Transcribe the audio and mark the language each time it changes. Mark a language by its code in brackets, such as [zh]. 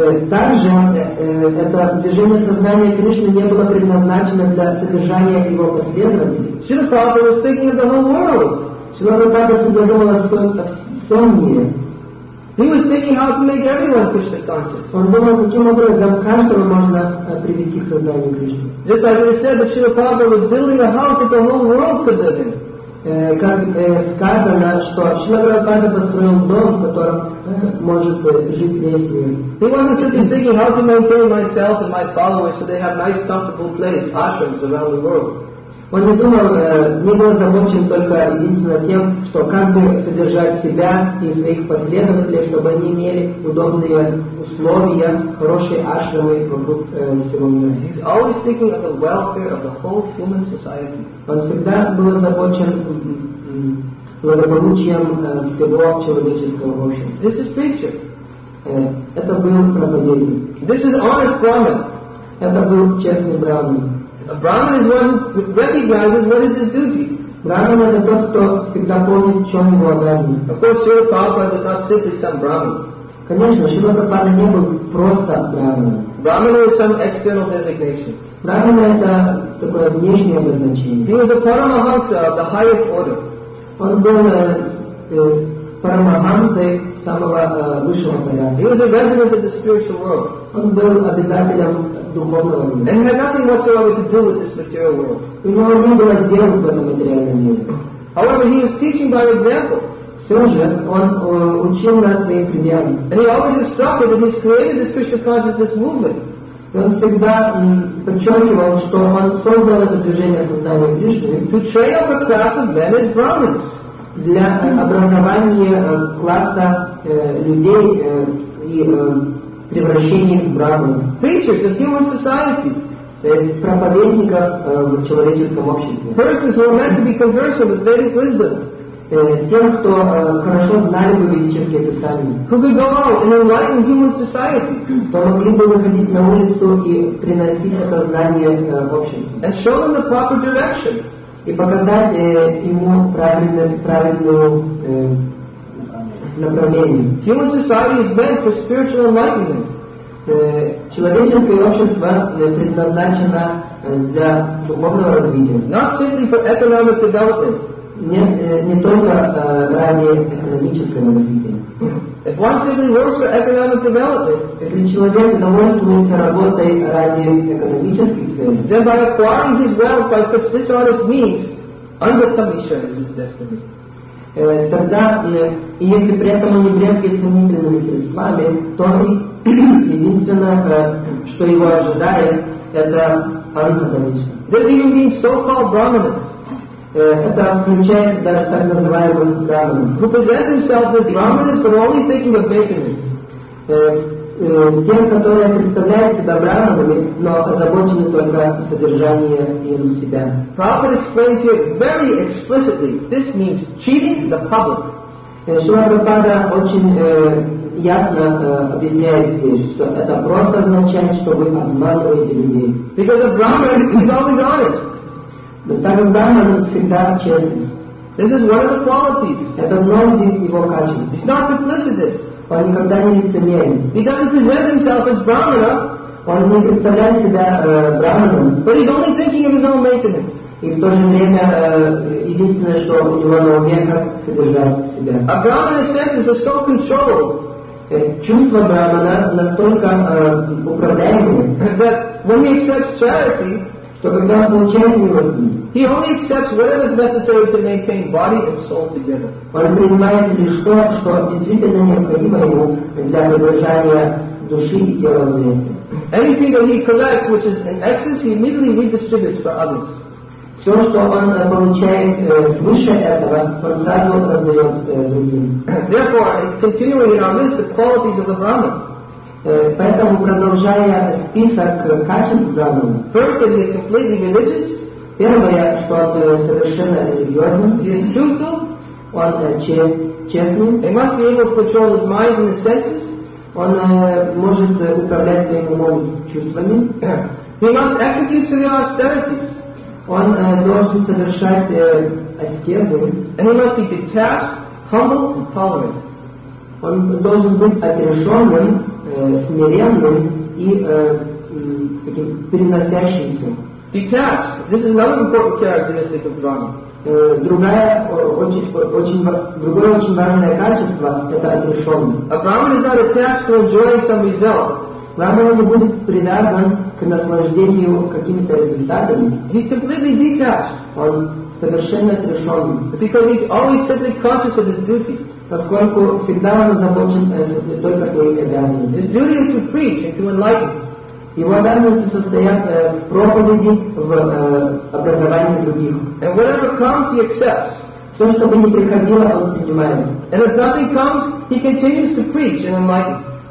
[ru] Также это движение сознания Кришны не было предназначено для содержания его последователей. [en] Srila Prabhupada was thinking of the whole world. [ru] Srila Prabhupada всегда думал о всем мире. [en] He was thinking how to make everyone Krishna conscious. [ru] Он думал, каким образом каждого можно привести к сознанию Кришны. [en] Just as we said that Srila Prabhupada was building a house that the whole world could live in. [ru] Как сказано, что Шрила Прабхупада построил дом, в котором может жить весь мир. [en] He wasn't simply thinking how to maintain myself and my followers so they have nice comfortable place, ashrams around the world. [ru] Он не думал, не был озабочен только единственно тем, что как бы содержать себя и своих последователей, чтобы они имели удобные условия, хорошие ашрамы вокруг всего мира. [en] He's always thinking of the welfare of the whole human society. [ru] Он всегда был озабочен благополучием всего человеческого общества. [en] This is preacher. [ru] Это был проповедник. [en] This is honest brahmin. [ru] Это был честный брахман. [en] A brahmin is one who recognizes what is his duty. Brahmin is the one who [ru] всегда помнит, в чем его обязанность. [en] Of course, Srila Prabhupada is not simply some brahmin. [ru] Конечно, Srila Prabhupada не был просто брахман. [en] Brahmin is some external designation. Brahmin is a [ru] такое внешнее обозначение. [en] He was a paramahamsa of the highest order. [ru] Он был парамахамсой самого высшего порядка. [en] He was a resident of the spiritual world. [ru] Он был обитателем духовного мира. [en] And had nothing whatsoever to do with this material world. [ru] У него не было дел в этом материальном мире. [en] However, he was teaching by example. [ru] Все же он учил нас своим примером. [en] And he always instructed that he's created this Krishna consciousness movement. [ru] И он всегда подчеркивал, что он создал это движение создания Кришны [en] to train up a class of men as Brahmins. [ru] Для образования класса людей и превращения в Брахман. [en] Preachers of human society. [ru] Проповедников в человеческом обществе. [en] Persons who are meant to be conversant with Vedic wisdom. [ru] Тем, кто хорошо знали бы ведические писания. [en] Who could go out and enlighten human society. [ru] Кто могли бы выходить на улицу и приносить это знание обществу. [en] And show them the proper direction. [ru] И показать ему правильное направление. [en] Human society is meant for spiritual enlightenment. [ru] Человеческое общество предназначено для духовного развития. [en] Not simply for economic development. [ru] Не только ради экономического развития. [en] If one simply works for economic development, [ru] если человек довольствуется работой ради экономических целей, [en] then by acquiring his wealth by such dishonest means, undertamisha is his destiny. [ru] Тогда, и если при этом он не брезгает сомнительными средствами, то единственное, что его ожидает, это антатамиша. [en] This even means so-called brahmanas. [ru] Это включает даже так называемых брахманов. [en] Who present themselves as brahmanas, but only thinking of maintenance. [ru] Те, которые представляют себя брахманами, но озабочены только содержанием им себя. [en] Prabhupada explains here very explicitly, this means cheating the public. [ru] Шрила Прабхупада очень ясно объясняет здесь, что это просто означает, что вы обманываете людей. [en] Because a brahman is always honest. [ru] Но так как брахман всегда честен. [en] This is one of the qualities. [ru] Это одно из его качеств. [en] He's not duplicitous. [ru] Он никогда не лицемерен. [en] He doesn't present himself as brahmana. [ru] Он не представляет себя брахманом. [en] But he's only thinking of his own maintenance. [ru] И в то же время единственное, что у него на уме, как содержать себя. [en] A brahmana's senses are so controlled. [ru] Чувства брахмана настолько управляемые. [en] That when he accepts charity. [ru] То когда он получает милости, [en] he only accepts whatever is necessary to maintain body and soul together. [ru] Он принимает лишь то, что действительно необходимо ему для поддержания души и тела вместе. [en] Anything that he collects, which is in excess, he immediately redistributes for others. [ru] Все, что он получает свыше этого, он сразу раздает другим. [en] Therefore, continuing in our list, the qualities of the Brahman. [ru] Поэтому продолжая список качеств брахмана. [en] First, that he is completely religious. [ru] Первое, что он совершенно религиозный. [en] He is truthful. [ru] Он честный. [en] He must be able to control his mind and his senses. [ru] Он может управлять своим умом, чувствами. [en] He must execute severe austerities. [ru] Он должен совершать аскезы. [en] And he must be detached, humble, and tolerant. [ru] Он должен быть отрешенным, смиренным и таким переносящимся. [en] Detached. This is another important characteristic of Brahma. [ru] Другое очень важное качество – это отрешенность. [en] A Brahman is not attached to enjoying some result. [ru] Brahman не будет привязан к наслаждению какими-то результатами. [en] He's completely detached. [ru] Он совершенно отрешенный. [en] Because he's always simply conscious of his duty. [ru] Поскольку всегда он озабочен только своими обязанностями. [en] His duty is to preach and to enlighten. [ru] Его обязанности состоят в проповеди, в образовании других. [en] And whatever comes, he accepts. [ru] Все, что бы ни приходило, он принимает. [en] And if nothing comes, he continues to preach and enlighten.